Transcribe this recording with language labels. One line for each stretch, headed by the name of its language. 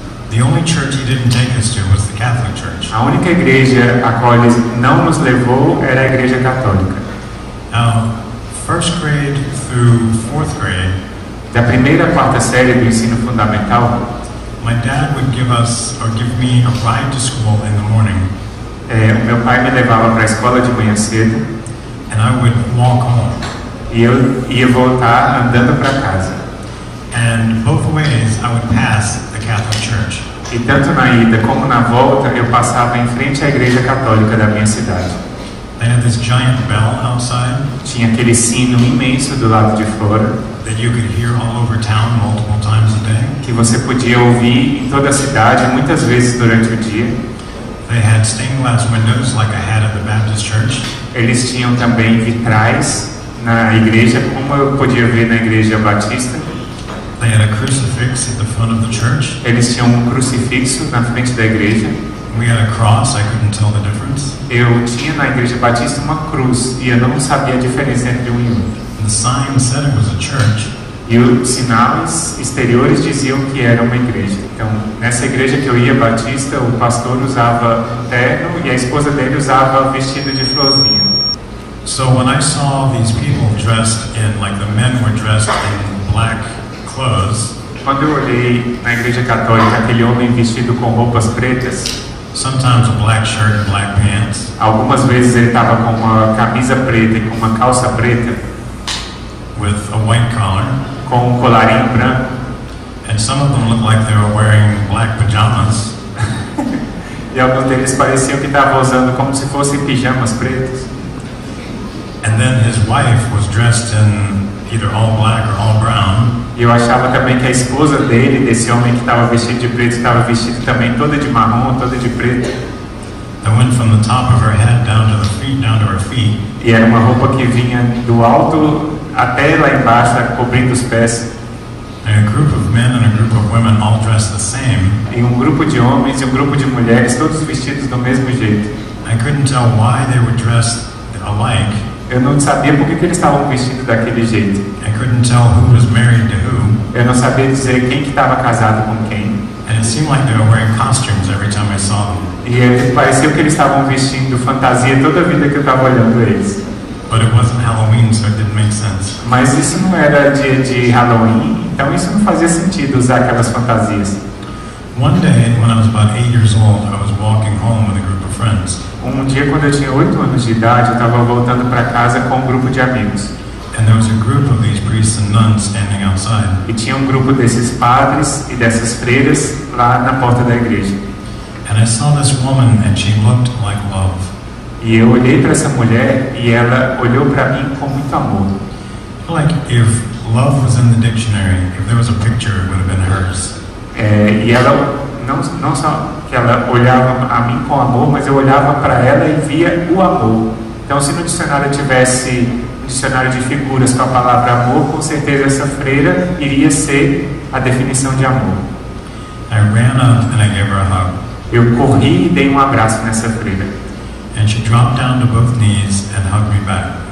English: The only church he didn't take us to was the Catholic church.
Portuguese: A única igreja a qual ele não nos levou era a igreja católica.
English: Now, first grade through fourth grade,
Portuguese: Da primeira à quarta série do ensino fundamental,
English: my dad would give us or give me a ride to school in the morning.
Portuguese: O meu pai me levava para a escola de manhã cedo,
English: and I would walk home.
Portuguese: E eu ia voltar andando para casa.
English: And both ways I would pass the Catholic church.
Portuguese: E tanto na ida como na volta eu passava em frente à igreja católica da minha cidade.
English: They had this giant bell outside.
Portuguese: Tinha aquele sino imenso do lado de fora.
English: That you could hear all over town multiple times a day.
Portuguese: Que você podia ouvir em toda a cidade muitas vezes durante o dia.
English: They had stained glass windows like I had at the Baptist church.
Portuguese: Eles tinham também vitrais na igreja, como eu podia ver na igreja batista.
English: They had a crucifix at the front of the church.
Portuguese: Eles tinham um crucifixo na frente da igreja.
English: We had a cross, I couldn't tell the difference.
Portuguese: Eu tinha na igreja batista uma cruz e eu não sabia a diferença entre um e outro.
English: The sign said it was a church.
Portuguese: E os sinais exteriores diziam que era uma igreja. Então, nessa igreja que eu ia batista, o pastor usava terno e a esposa dele usava vestido de florzinha.
English: So when I saw these people dressed in, like the men were dressed in black clothes.
Portuguese: Quando eu olhei na igreja católica aquele homem vestido com roupas pretas.
English: Sometimes a black shirt and black pants.
Portuguese: Algumas vezes ele estava com uma camisa preta e com uma calça preta.
English: With a white collar.
Portuguese: Com um colarinho branco.
English: And some of them looked like they were wearing black pajamas.
Portuguese: E alguns deles pareciam que estavam usando como se fossem pijamas pretos.
English: And then his wife was dressed in either all black or all brown.
Portuguese: Eu achava também que a esposa dele, desse homem que estava vestido de preto, estava vestido também toda de marrom, toda de preto.
English: That went from the top of her head down to the feet, down to her feet.
Portuguese: E era uma roupa que vinha do alto até lá embaixo, cobrindo os pés.
English: And a group of men and a group of women all dressed the same.
Portuguese: E um grupo de homens e um grupo de mulheres, todos vestidos do mesmo jeito.
English: I couldn't tell why they were dressed alike.
Portuguese: Eu não sabia por que eles estavam vestidos daquele jeito.
English: I couldn't tell who was married to who.
Portuguese: Eu não sabia dizer quem que estava casado com quem.
English: And it seemed like they were wearing costumes every time I saw them.
Portuguese: E parecia que eles estavam vestindo fantasia toda a vida que eu estava olhando eles.
English: But it wasn't Halloween, so it didn't make sense.
Portuguese: Mas isso não era dia de Halloween, então isso não fazia sentido usar aquelas fantasias.
English: One day, when I was about 8 years old, I was walking home with a group of friends.
Portuguese: Um dia, quando eu tinha 8 anos de idade, eu estava voltando para casa com um grupo de amigos.
English: And there was a group of these priests and nuns standing outside.
Portuguese: E tinha um grupo desses padres e dessas freiras lá na porta da igreja.
English: And I saw this woman and she looked like love.
Portuguese: E eu olhei para essa mulher e ela olhou para mim com muito amor.
English: Like if love was in the dictionary, if there was a picture, it would have been hers.
Portuguese: E ela não só que ela olhava a mim com amor, mas eu olhava para ela e via o amor. Então, se no dicionário tivesse um dicionário de figuras com a palavra amor, com certeza essa freira iria ser a definição de amor.
English: I ran up and I gave her a hug.
Portuguese: Eu corri e dei um abraço nessa freira.
English: And she dropped down to both knees and hugged me back.